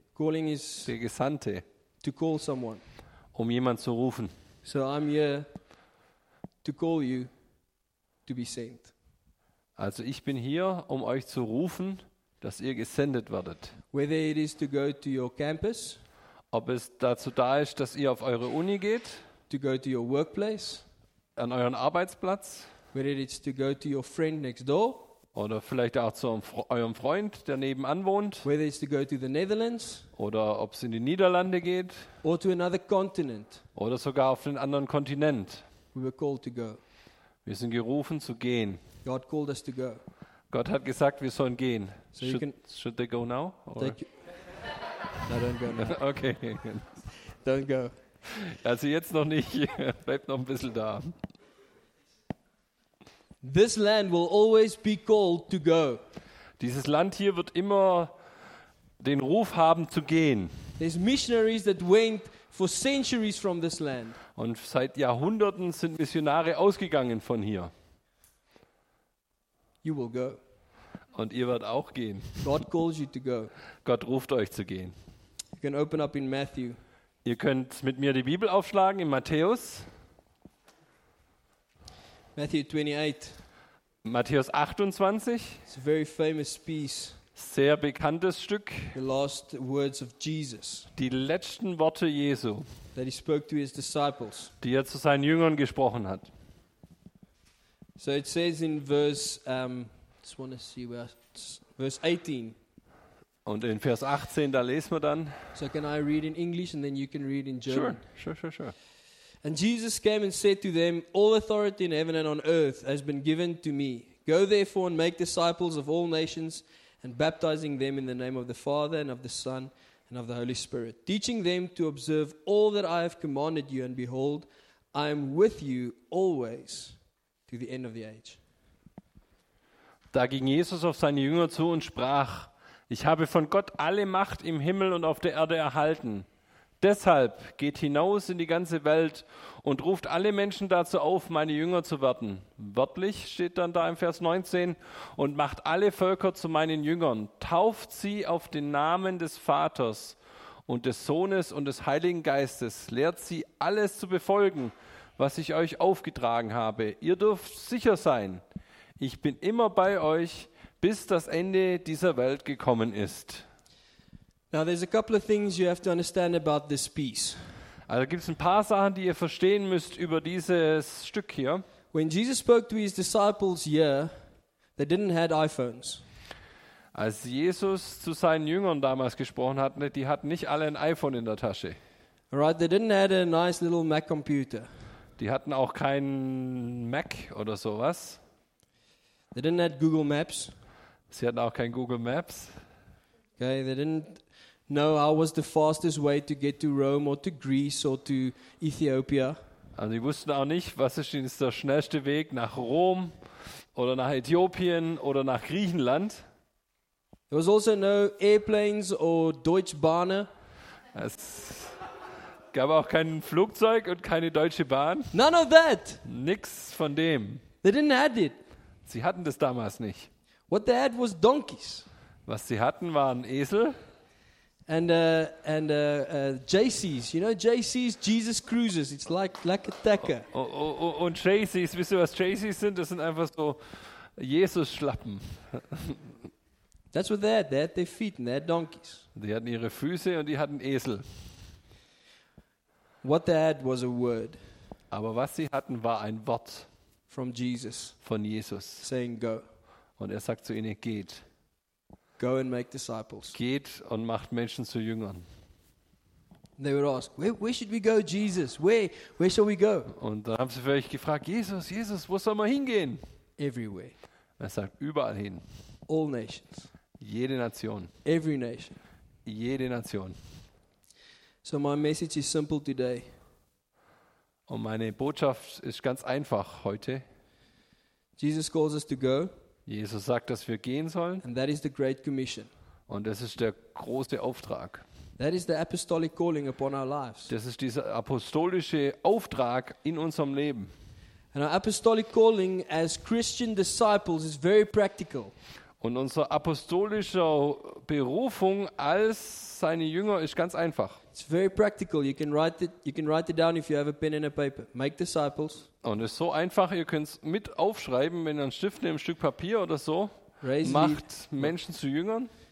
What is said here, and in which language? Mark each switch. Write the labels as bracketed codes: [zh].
[en] calling is [de] der Gesandte, [en] to call someone. [de] Um jemanden zu rufen. [en] So I'm here to call you to be sent. [de] Also ich bin hier, um euch zu rufen, dass ihr gesendet werdet. [en] Whether it is to go to your campus, [de] ob es dazu da ist, dass ihr auf eure Uni geht, [en] to go to your workplace, [de] an euren Arbeitsplatz, [en] whether it is to go to your friend next door, [de] oder vielleicht auch zu eurem Freund, der nebenan wohnt. [en] Whether it's to go to the Netherlands, [de] oder ob es in die Niederlande geht. [en] Or to another continent, [de] oder sogar auf einen anderen Kontinent. [en] We were called to go. [de] Wir sind gerufen zu gehen. [en] God called us to go. [de] Gott hat gesagt, wir sollen gehen. [en] So you can should they go now? No, don't go now. Okay. Don't go. [de] Also jetzt noch nicht. Bleibt noch ein bisschen da. [en] This land will always be called to go. [de] Dieses Land hier wird immer den Ruf haben zu gehen. [en] There's missionaries that went for centuries from this land. [de] Und seit Jahrhunderten sind Missionare ausgegangen von hier. [en] You will go. [de] Und ihr werdet auch gehen. [en] God calls you to go. [de] Gott ruft euch zu gehen. [en] You can open up in Matthew. [de] Ihr könnt mit mir die Bibel aufschlagen in Matthäus. [en] Matthew 28. [de] Matthäus 28. [en] It's a very famous piece. [de] Sehr bekanntes Stück. [en] The last words of Jesus. [de] Die letzten Worte Jesu. [en] That he spoke to his disciples. [de] Die er zu seinen Jüngern gesprochen hat. [en] So it says in verse just want to see where verse 18. [de] Und in Vers 18 da lesen wir dann. [en] So can I read in English and then you can read in German? Sure. And Jesus came and said to them, all authority in heaven and on earth has been given to me. Go therefore and make disciples of all nations and baptizing them in the name of the Father and of the Son and of the Holy Spirit, teaching them to observe all that I have commanded you, and behold, I am with you always to the end of the age. [de] Da ging Jesus auf seine Jünger zu und sprach, ich habe von Gott alle Macht im Himmel und auf der Erde erhalten. Deshalb geht hinaus in die ganze Welt und ruft alle Menschen dazu auf, meine Jünger zu werden. Wörtlich steht dann da im Vers 19, und macht alle Völker zu meinen Jüngern, tauft sie auf den Namen des Vaters und des Sohnes und des Heiligen Geistes, lehrt sie alles zu befolgen, was ich euch aufgetragen habe. Ihr dürft sicher sein, ich bin immer bei euch, bis das Ende dieser Welt gekommen ist. [en] Now there's a couple of things you have to understand about this piece. [de] Also gibt's ein paar Sachen, die ihr verstehen müsst über dieses Stück hier. [en] When Jesus spoke to his disciples here, they didn't have iPhones. [de] Als Jesus zu seinen Jüngern damals gesprochen hat, die hatten nicht alle ein iPhone in der Tasche. [en] Right, they didn't have a nice little Mac computer. [de] Die hatten auch keinen Mac oder sowas. [en] They didn't have Google Maps. [de] Sie hatten auch kein Google Maps. [en] Okay, they didn't know how was the fastest way to get to Rome or to Greece or to Ethiopia. [de] Also sie wussten auch nicht, was ist denn der schnellste Weg nach Rom oder nach Äthiopien oder nach Griechenland. [en] There was also no airplanes or Deutsche Bahn. [de] Es, Gab auch kein Flugzeug und keine Deutsche Bahn. [en] None of that. [de] Nix von dem. [en] They didn't have it. [de] Sie hatten das damals nicht. [en] What they had was donkeys. [de] Was sie hatten, waren Esel. [en] JCs, you know JCs, Jesus Cruisers. It's like a tacker. [de] Und JCs, wisst ihr, was JCs sind? Das sind einfach so Jesus-Schlappen. [en] That's what they had. They had their feet and they had donkeys. [de] Die hatten ihre Füße und die hatten Esel. [en] What they had was a word. [de] Aber was sie hatten, war ein Wort. [en] From Jesus. [de] Von Jesus. [en] Saying go. [de] Und er sagt zu ihnen, geht. [en] Go and make disciples. [de] Geht und macht Menschen zu Jüngern. [en] They would ask, where should we go, Jesus? Where shall we go? [de] Und dann haben sie vielleicht gefragt, Jesus, wo soll man hingehen? [en] Everywhere. [de] Er sagt, überall hin. [en] All nations. [de] Jede Nation. [en] Every nation. [de] Jede Nation. [en] So my message is simple today. [de] Und meine Botschaft ist ganz einfach heute. [en] Jesus calls us to go. [de] Jesus sagt, dass wir gehen sollen. [en] And that is the great commission. [de] Und das ist der große Auftrag. [en] That is the apostolic calling upon our lives. [de] Das ist dieser apostolische Auftrag in unserem Leben. [en] And our apostolic calling as Christian disciples is very practical. [de] Und unsere apostolische Berufung als seine Jünger ist ganz einfach. [en] It's very practical. You can write it down if you have a pen and a paper. Make disciples. [de] Und es ist so einfach, ihr könnt es mit aufschreiben, wenn ihr einen Stift nehmt, ein Stück Papier oder so. [en] Raise [de] macht Menschen zu Jüngern.